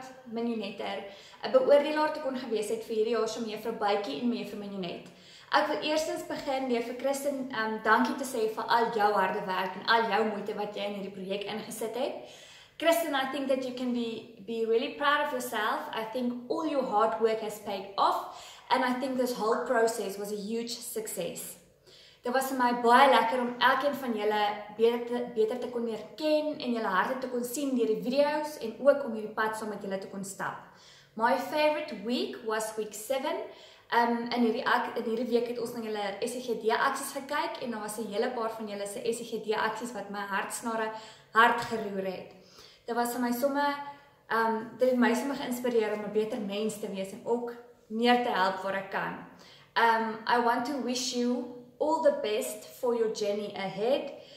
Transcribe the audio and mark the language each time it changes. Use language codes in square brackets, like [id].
[af] Ninetter, 'n beoordelaar te kon gewees het vir hierdie jaar se Mevrou Baikie en Mevrou Ninette. Ek wil eerstens begin deur vir Kristen dankie te sê vir al jou harde werk en al jou moeite wat jy in hierdie projek ingesit het. [en] Kristen, I think that you can be really proud of yourself. I think all your hard work has paid off And I think this whole process was a huge success. [af] Dit was vir my baie lekker om elkeen van julle beter te kon leer ken en julle harte te kon sien deur die video's en ook om hierdie pad saam met julle te kon stap. [en] My favorite week was week 7. [af] In hierdie week het ons na julle SGD aksies gekyk en daar was 'n hele paar van julle se SGD aksies wat my hartsnare hard geroer het. Dit was vir my somme dit het my somme geïnspireer om 'n beter mens te wees en ook meer te help waar ek kan. [en] I want to wish you all the best for your journey ahead.